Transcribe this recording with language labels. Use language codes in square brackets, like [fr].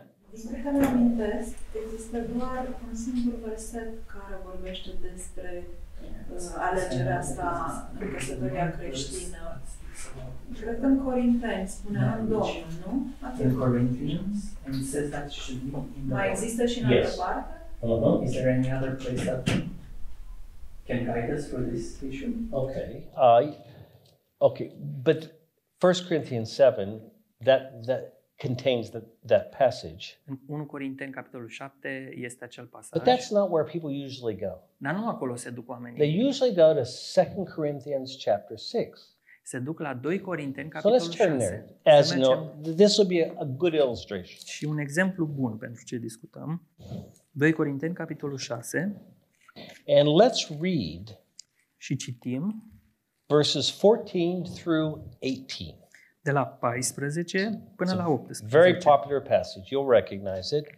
[ro] Despre care mă amintesc, există doar un singur verset care vorbește despre alegerea asta în căsătoria creștină. Cred că în Corinteni spune în Domnul, nu? [en] In Corinthians, and it says that should be in the [ro] Mai există și în [en] yes. [ro] altă parte? Uh-huh. [en] Is there any other place that can guide us for this issue? Okay. Okay, but 1 Corinthians 7, that contains that passage. [ro] În 1 Corinteni capitolul 7 este acel pasaj. [en] But that's not where people usually go. [ro] Dar nu acolo se duc oamenii. [en] They usually go to 2 Corinthians chapter 6. [ro] Se duc la 2 Corinteni, capitolul [en] 6. So let's turn there. As you know, this will be a good illustration. [ro] Și un exemplu bun pentru ce discutăm. 2 Corinteni, capitolul 6. [en] And let's read. [ro] Și citim. [en] Verses 14 through 18. [ro] De la 14 până la 18. [en] Very popular passage. You'll recognize it.